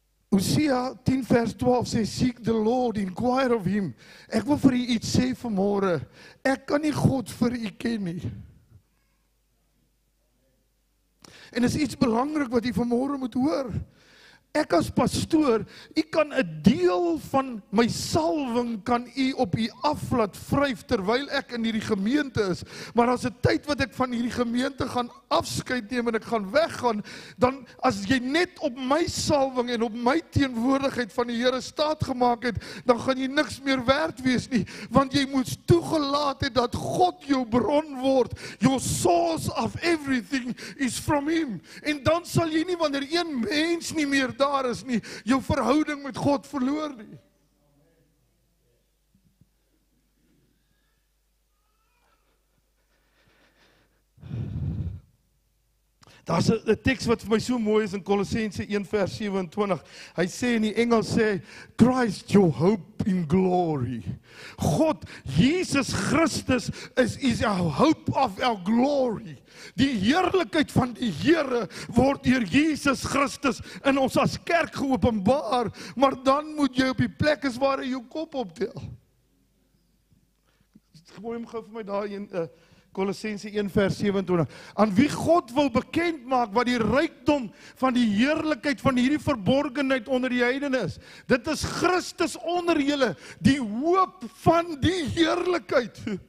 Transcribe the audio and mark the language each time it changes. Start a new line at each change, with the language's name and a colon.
English: Hosea 10
Afrikaans: vers 12 sê,
English: Seek the Lord, inquire of Him.
Afrikaans: Ek wil vir u iets sê vanmôre, ek kan nie God vir u ken nie. En is iets belangrik wat u vanmôre moet hoor. Ek as pastoor, u kan 'n deel van my salwing kan u op u af laat wryf terwyl ek in hierdie gemeente is, maar as 'n tyd wat ek van hierdie gemeente gaan afskeid neem en ek gaan weggaan, dan as jy net op my salwing en op my teenwoordigheid van die Here staat gemaak het, dan gaan jy niks meer werd wees nie, want jy moet toegelaat het dat God jou bron word.
English: Your source of everything is from Him.
Afrikaans: En dan sal jy nie wanneer een mens nie meer daar is nie, jou verhouding met God verloor nie. Daar is een tekst wat vir my so mooi is in Kolossense 1 vers 27. Hy sê in die Engels sê,
English: Christ your hope in glory. God, Jesus Christus is our hope of our glory.
Afrikaans: Die heerlijkheid van die Here word deur Jesus Christus in ons as kerk geopenbaar. Maar dan moet jy op die plek is waar hy jou kop optel. Gooi hem gauw vir my daar in Kolossense 1 vers 27, aan wie God wil bekend maak wat die rykdom van die heerlijkheid van hierdie verborgenheid onder die heidene is, dit is Christus onder julle, die hoop van die heerlijkheid.